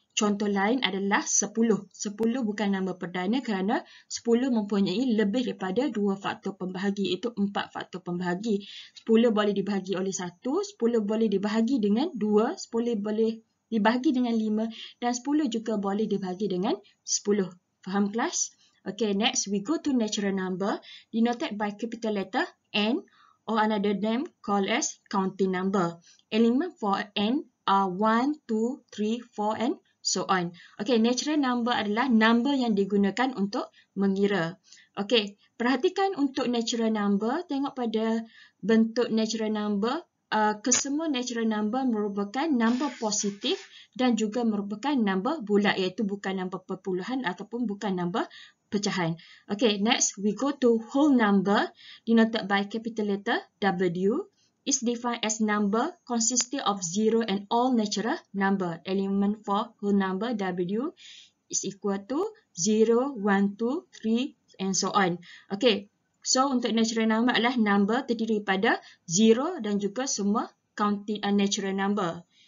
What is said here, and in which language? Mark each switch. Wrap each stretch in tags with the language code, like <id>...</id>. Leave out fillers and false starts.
<ms>Contoh lain adalah 10. 10 bukan nombor perdana kerana 10 mempunyai lebih daripada 2 faktor pembahagi iaitu 4 faktor pembahagi. 10 boleh dibahagi oleh 1, 10 boleh dibahagi dengan 2, 10 boleh dibahagi dengan 5 dan 10 juga boleh dibahagi dengan 10. Faham kelas?</ms> <en>Okay, next we go to natural number denoted by capital letter N or another name called as counting number. Element for N are 1, 2, 3, 4 and so on.</en> <ms>Okay, natural number adalah number yang digunakan untuk mengira. Okay, perhatikan untuk natural number, tengok pada bentuk natural number, kesemua natural number merupakan number positif dan juga merupakan number bulat iaitu bukan number perpuluhan ataupun bukan number pecahan.</ms> <en>Okay, next we go to whole number denoted by capital letter W. Is defined as number consisting of zero and all natural number. Element for whole number W is equal to 0, 1, 2, 3 and so on.</en> <ms>Okay, so untuk natural number adalah number terdiri pada 0 dan juga semua counting natural number.</ms>